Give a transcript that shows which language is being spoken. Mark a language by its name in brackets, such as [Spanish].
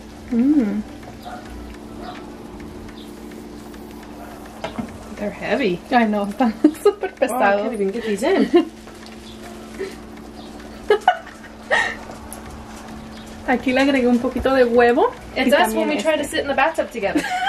[English] Mmm. They're heavy. I know. [Spanish] Super pesado. [English] Oh, I can't even get these in. [Spanish] Aquí le agregué un poquito de huevo. [English] It's us when we try to sit in the bathtub together.